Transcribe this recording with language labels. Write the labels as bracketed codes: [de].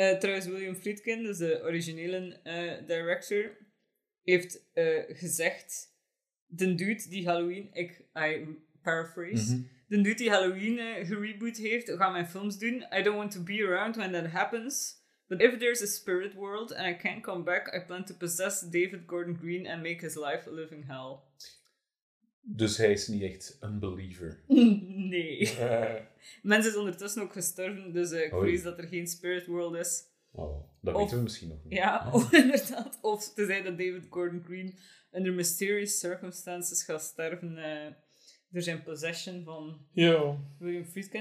[nl] Trouwens, William Friedkin, dus de originele director, heeft gezegd, de dude die Halloween, de dude die Halloween gereboot heeft, gaat mijn films doen. [en] I don't want to be around when that happens. But if there's a spirit world and I can't come back, I plan to possess David Gordon Green and make his life a living hell. [nl] Dus hij is niet echt een believer. Nee. Mensen is ondertussen ook gestorven, dus ik vrees dat er geen spirit world is. Oh, dat weten we misschien nog niet. Ja, oh, inderdaad. Of te zijn dat David Gordon Green [en] under mysterious circumstances [nl] gaat sterven door zijn possession van William Friedkin.